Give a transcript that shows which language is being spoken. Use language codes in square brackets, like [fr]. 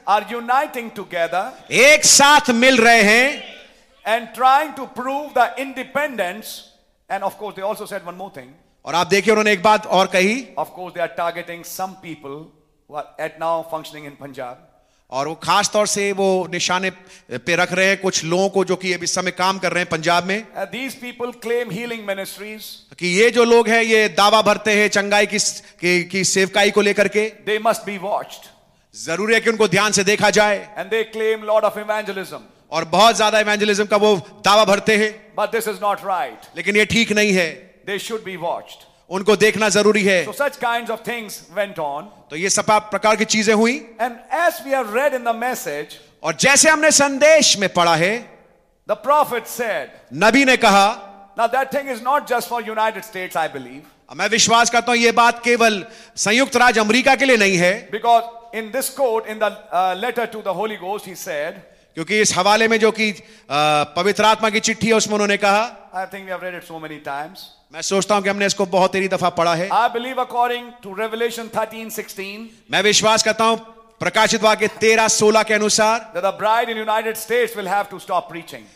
[en] are uniting together, [hi] एक साथ मिल रहे हैं, [en] and trying to prove the independence, and of course they also said one more thing. [hi] और आप देखिए उन्होंने एक बात और कही. [en] Of course they are targeting some people who are at now functioning in Punjab. [hi] और वो खास तौर से वो निशाने पे रख रहे हैं कुछ लोगों को जो कि अभी समय काम कर रहे हैं पंजाब में. [en] These people claim healing ministries. [hi] कि ये जो लोग हैं ये दावा भरते हैं चंगाई की सेवकाई को लेकर के. [en] They must be watched. [hi] जरूरी है कि उनको ध्यान से देखा जाए. [en] And they claim lot of evangelism. [hi] और बहुत ज्यादा evangelism का वो दावा भरते हैं. [en] But this is not right. [hi] लेकिन ये ठीक नहीं है. [en] They should be watched. [hi] उनको देखना जरूरी है. [en] So such kinds of things went on. [hi] तो ये सब प्रकार की चीजें हुई. [en] And as we have read in the message, [hi] और जैसे हमने संदेश में पढ़ा है, [en] the prophet said, [hi] नबी ने कहा, [en] now that thing is not just for United States, I believe. [hi] मैं विश्वास करता हूं ये बात केवल संयुक्त राज्य अमेरिका के लिए नहीं है. [en] Because in this quote, in the letter to the Holy Ghost, he said, [hi] क्योंकि इस हवाले में जो कि पवित्र आत्मा की चिट्ठी है उसमें उन्होंने कहा, [en] I think we have read it so many times, [hi] मैं सोचता हूं कि हमने इसको बहुत तेरी दफा पढ़ा है। [en] I believe according to Revelation 13:16, [hi] मैं विश्वास करता हूं प्रकाशित वाक्य 13:16 के अनुसार, [en] the bride in United States will have to stop preaching,